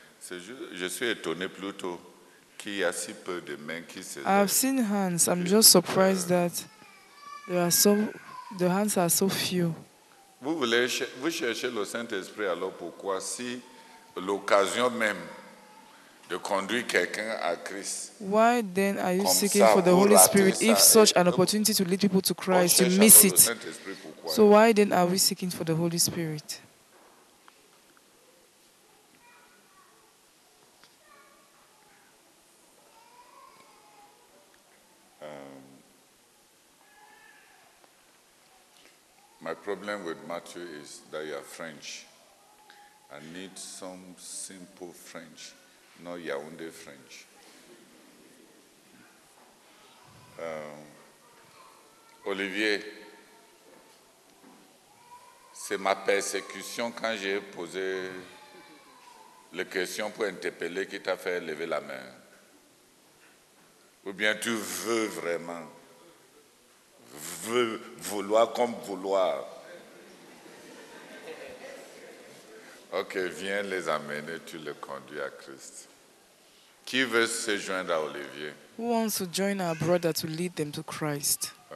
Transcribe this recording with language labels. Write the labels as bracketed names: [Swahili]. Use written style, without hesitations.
[French] C'est juste, je suis étonné plutôt qu'il y a si peu de mains qui se lèvent. [English] I've seen hands. I'm just surprised that there are some. The hands are so few. [French] Vous voulez vous cherchez le Saint-Esprit alors pourquoi si l'occasion même de conduire quelqu'un à Christ. [English] Why then are you seeking for the Holy Spirit if such an opportunity to lead people to Christ you miss it? So why then are we seeking for the Holy Spirit? My problem with Matthew is that you are French. I need some simple French, not Yaoundé French. [French] Olivier, c'est ma persécution quand j'ai posé les questions pour interpeller qui t'a fait lever la main. Ou bien tu veux vraiment? Vouloir comme vouloir. Ok, viens les amener, tu les conduis à Christ. Qui veut se joindre à Olivier? [English] Who wants to join our brother to lead them to Christ?